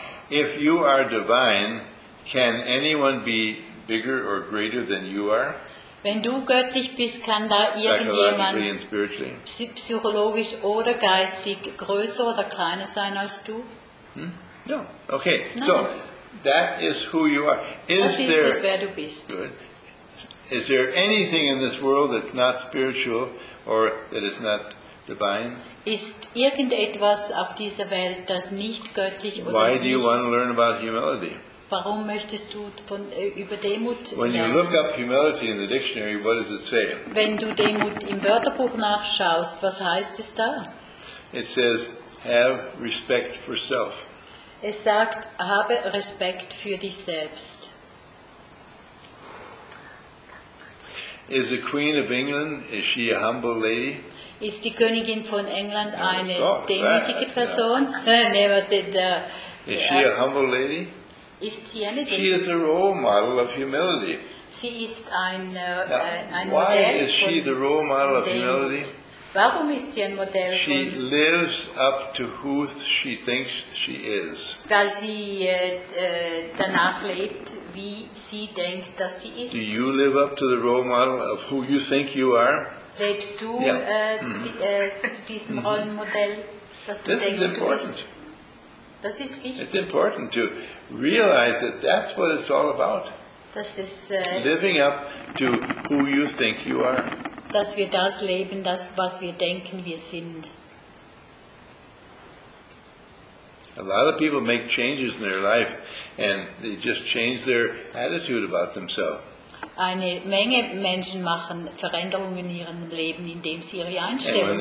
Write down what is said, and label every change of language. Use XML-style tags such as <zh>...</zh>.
<en>If you are divine, can anyone be bigger or greater than you are?</en> <de>Wenn du göttlich bist, kann da irgendjemand psychologisch oder geistig größer oder kleiner sein als du?</de> <en>No. Okay. No. So that is who you are.</en> <de>Wer du bist.</de> <en>Good. Is there anything in this world that's not spiritual or that is not divine?</en> <de>Ist irgendetwas auf dieser Welt, das nicht göttlich oder</de> <en>Why</en> <de>nicht?</de> <en>Do you want to learn about humility?</en> <de>Warum möchtest du über Demut lernen?</de> <en>When you look up humility in the dictionary, what does it say?</en> <de>Wenn du Demut im Wörterbuch nachschaust, was heißt es da?</de> <en>It says, have respect for self.</en> <de>Es sagt, habe Respekt für dich selbst.</de> <en>Is the Queen of England, is she a humble lady?</en> <de>Ist die Königin von England eine demütige Person?</de> <en>Never did, is she a humble lady?</en> <de>Ist sie eine demütige?</de> <en>She is a role model of humility.</en> <de>Sie ist ein,</de> <en>Now,</en> <de>ein</de> <en>why</en> <de>Modell</de> <en>is she the role model of humility?</en> <de>Warum ist sie ein Modell</de> <en>she</en> <de>von</de> <en>lives up to who she thinks she is.</en> <de>Weil sie danach lebt, wie sie denkt, dass sie ist.</de> <en>Do you live up to the role model of who you think you are?</en> <de>Lebst du zu diesem Rollenmodell, das du denkst, du bist? Das ist wichtig.</de> <en>It's important to realize that that's what it's all about.</en> <de>Das ist,</de> <en>living up to who you think you are.</en> <de>Dass wir das leben, das, was wir denken, wir sind.</de> <en>A lot of people make changes in their life and they just change their attitude about themselves.</en> <de>Eine Menge Menschen machen Veränderungen in ihrem Leben, indem sie ihre Einstellung</de>